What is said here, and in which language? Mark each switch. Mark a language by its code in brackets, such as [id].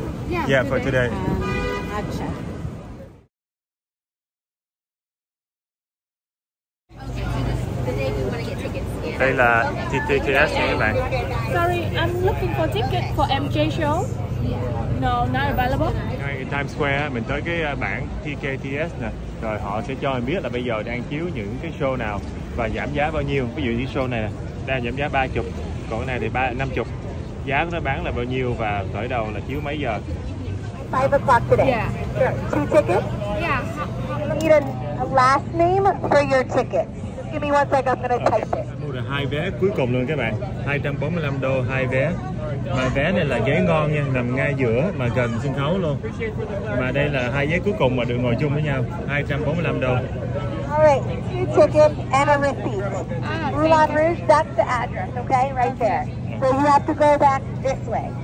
[en] Yeah. Yeah, for today. Acha. [vi] Đây là TKTS nha các bạn. [en] Sorry, I'm looking for ticket for MJ show. No, not available. In Times Square, [vi] mình tới cái bảng TKTS nè. Rồi họ sẽ cho mình biết là bây giờ đang chiếu những cái show nào và giảm giá bao nhiêu. Ví dụ như show này nè, đang giảm giá 30, còn cái này thì 50. Giá của nó bán là bao nhiêu và khởi đầu là chiếu mấy giờ? [en] 5 o'clock today. Yeah. Two tickets? Yeah. You need a last name for your ticket. Give me one second, I'm gonna type it. [vi] Hai vé cuối cùng luôn các bạn, $245 hai vé. Mà vé này là ghế ngon nha, nằm ngay giữa mà gần sân khấu luôn. Mà đây là hai vé cuối cùng mà được ngồi chung với nhau, $245. [en] Alright, two tickets and a receipt. Moulin Rouge, that's the address, okay, right there. So you have to go back this way.